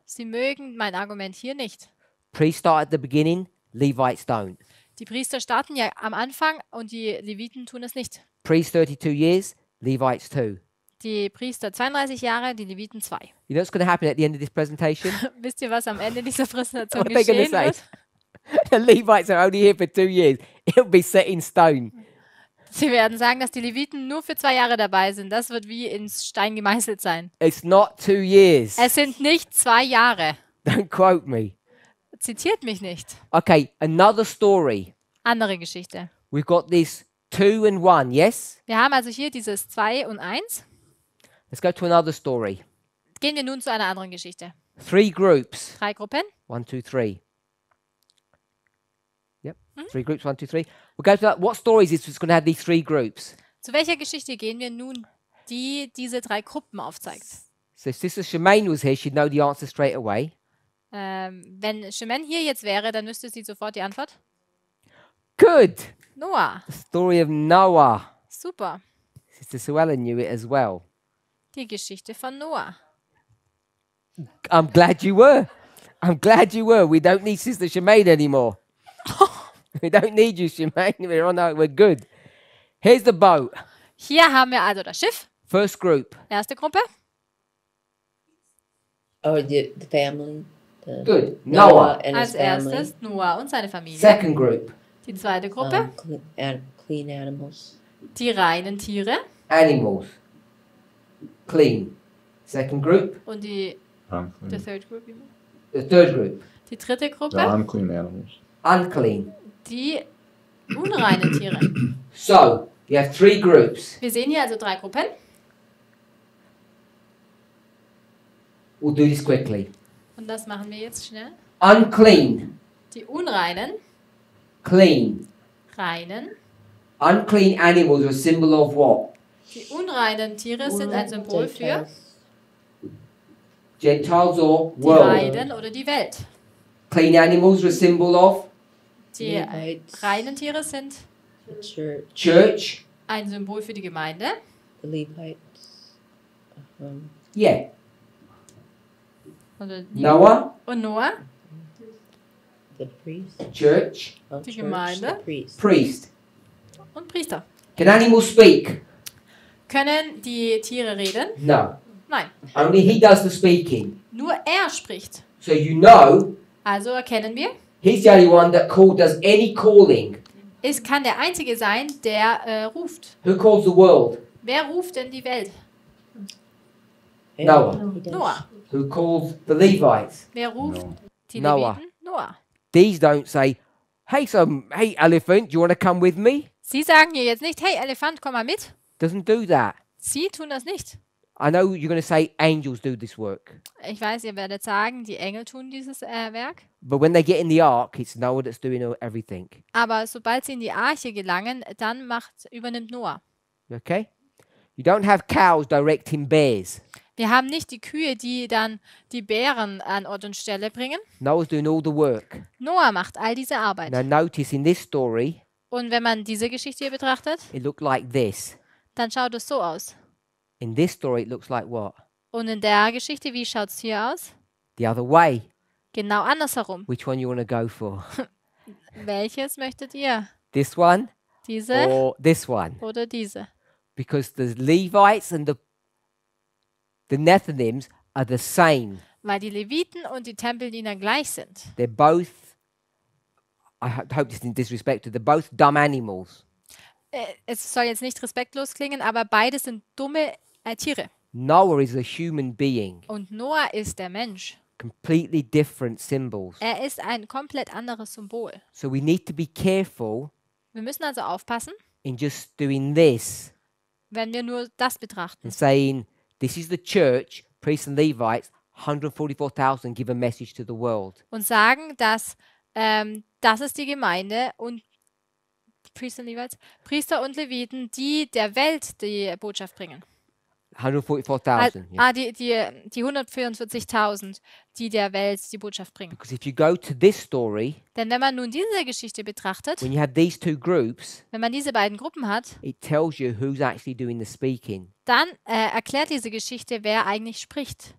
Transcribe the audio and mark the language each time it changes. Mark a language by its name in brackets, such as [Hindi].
[German] Sie mögen mein Argument hier nicht. [English] Priests start at the beginning, Levites don't. [German] Die Priester starten ja am Anfang und die Leviten tun es nicht. [English] Priests 32 years, Levites 2. [German] Die Priester 32 Jahre, die Leviten 2. [English] You know what's going to happen at the end of this presentation? [German] Wisst ihr, was am Ende dieser Präsentation geschehen wird? [English] What the Levites are only here for 2 years. It'll be set in stone. [German] Sie werden sagen, dass die Leviten nur für 2 Jahre dabei sind. Das wird wie ins Stein gemeißelt sein. [English] It's not 2 years. [German] Es sind nicht 2 Jahre. [English] Don't quote me. [German] Zitiert mich nicht. [English] Okay, another story. [German] Andere Geschichte. [English] We've got this two and one, yes? [German] Wir haben also hier dieses 2 und 1. [English] Let's go to another story. [German] Gehen wir nun zu einer anderen Geschichte. [English] Three groups. [German] Drei Gruppen. [English] 1, 2, 3. Yep, mm-hmm. Three groups, 1, 2, 3. We'll go to that. What story is this that's going to have these three groups? [German] Zu welcher Geschichte gehen wir nun, die diese drei Gruppen aufzeigt? [English] So if Sister Shemaine was here, she'd know the answer straight away. [German] Wenn Shemaine hier jetzt wäre, dann wüsste sie sofort die Antwort. [English] Good. Noah. The story of Noah. Super. Sister Suella knew it as well. [German] Die Geschichte von Noah. [English] I'm glad you were. I'm glad you were. We don't need Sister Shemaine anymore. We don't need you, Shemaine. We're on our, we're good. Here's the boat. [German] Hier haben wir also das Schiff. [English] First group. [German] Erste Gruppe. [English] Oh, the family. Good. Noah and his family. [German] Als erstes Noah und seine Familie. [English] Second group. [German] Die zweite Gruppe. [English] Clean animals. [German] Die reinen Tiere. [English] Animals. Clean. Second group. [German] Und die. [English] Unclean. The third group. The third group. [German] Die dritte Gruppe. [English] The unclean animals. Unclean. [German] Die unreinen Tiere. [English] So, you have three groups. [German] Wir sehen hier also drei Gruppen. [English] We'll do this quickly. [German] Und das machen wir jetzt schnell. [English] Unclean. [German] Die unreinen. [English] Clean. [German] Reinen. [English] Unclean animals are a symbol of what? [German] Die unreinen Tiere sind ein Symbol für [English] Gentiles or world. [German] Die Heiden oder die Welt. [English] Clean animals are a symbol of [German] die reinen Tiere sind [English] Church. [German] Ein Symbol für die Gemeinde. [English] The Levites. Yeah. [German] Und [English] Noah. [German] Und Noah. [English] The priest. Church. [German] Die Gemeinde. [English] The priest. Priest. [German] Und Priester. [English] Can animals speak? [German] Können die Tiere reden? [English] No. [German] Nein. [English] Only he does the speaking. [German] Nur er spricht. [English] So you know. [German] Also erkennen wir. [English] He's the only one that call, does any calling. [German] Es kann der einzige sein, der ruft. [English] Who calls the world? [German] Wer ruft denn die Welt? [English] Noah. Noah. Who calls the Levites? [German] Wer ruft die Leviten? Noah. [English] These don't say, hey, so, hey, elephant, do you want to come with me? [German] Sie sagen hier jetzt nicht, hey, Elefant, komm mal mit. [English] Doesn't do that. [German] Sie tun das nicht. [English] I know you're going to say angels do this work. [German] Ich weiß, ihr werdet sagen, die Engel tun dieses Werk. [English] But when they get in the ark, it's Noah that's doing everything. [German] Aber sobald sie in die Arche gelangen, dann macht übernimmt Noah. [English] Okay. You don't have cows directing bears. [German] Wir haben nicht die Kühe, die dann die Bären an Ort und Stelle bringen. [English] Noah's doing all the work. [German] Noah macht all diese Arbeit. [English] Now notice in this story. [German] Und wenn man diese Geschichte hier betrachtet, [English] it looked like this. [German] Dann schaut es so aus. [English] In this story it looks like what? [German] Und in der Geschichte, wie schaut es hier aus? [English] The other way. [German] Genau andersherum. [English] Which one you want to go for? [German] Welches möchtet ihr? [English] This one? [German] Diese? [English] Or this one? [German] Oder diese? [English] Because the Levites and the Nethinims are the same. [German] Weil die Leviten und die Tempeldiener gleich sind. [English] They're both, I hope this isn't disrespectful, they're both dumb animals. [German] Es soll jetzt nicht respektlos klingen, aber beide sind dumme Tiere. [English] Noah is a human being. [German] Und Noah ist der Mensch. [English] Completely different symbols. [German] Er ist ein komplett anderes Symbol. [English] So we need to be careful. [German] Wir müssen also aufpassen. [English] In just doing this. [German] Wenn wir nur das betrachten. [English] And saying, this is the church, priests and Levites, 144,000 give a message to the world. [German] Und sagen, dass das ist die Gemeinde und Priester und Leviten, die der Welt die Botschaft bringen. [English] 144,000. [German] Ah, die 144,000, die der Welt die Botschaft bringen. [English] Because if you go to this story, [German] denn wenn man nun diese Geschichte betrachtet, [English] when you have these two groups, [German] wenn man diese beiden Gruppen hat, [English] it tells you who's actually doing the speaking. [German] Dann erklärt diese Geschichte, wer eigentlich spricht.